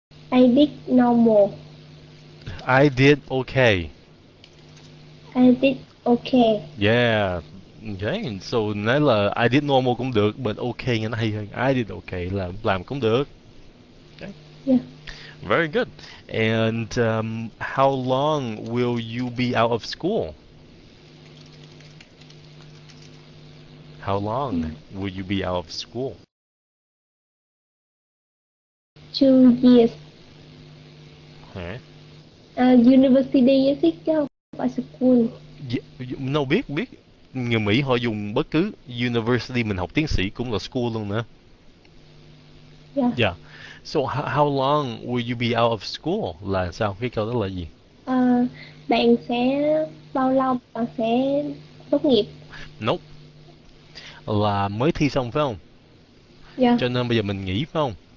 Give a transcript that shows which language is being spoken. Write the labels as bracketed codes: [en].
[en] I did normal. I did okay. I did okay. Yeah. Okay. [vi] So nãy là [en] I did normal [vi] cũng được, [en] but okay [vi] nghe nó hay hơn. [en] I did okay [vi] là làm cũng được. [en] Okay. Yeah. Very good. And how long will you be out of school? How long will you be out of school? 2 years. Okay. University is it [vi] chứ không phải [en] school. [vi] No, biết. Người Mỹ họ dùng bất cứ university mình học tiến sĩ cũng là school luôn nữa. [en] Yeah. Yeah. So how long will you be out of school? [vi] Là sao? Cái câu đó là gì? Bạn sẽ bao lâu bạn sẽ tốt nghiệp? [en] Nope. [vi] Là mới thi xong phải không? [en] Yeah. [vi] Cho nên bây giờ mình nghỉ phải không?